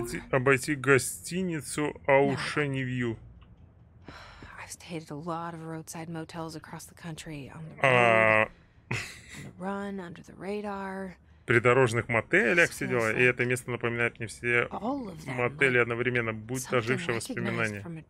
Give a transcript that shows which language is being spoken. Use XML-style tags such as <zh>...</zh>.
<ru>Обойти гостиницу Ocean View.</ru> <en>I've stayed at a lot of roadside motels across the country on the run, under the radar.</en> <ru>Придорожных мотелях все дела, и это место напоминает мне все мотели одновременно, будь ожившее воспоминание.</ru>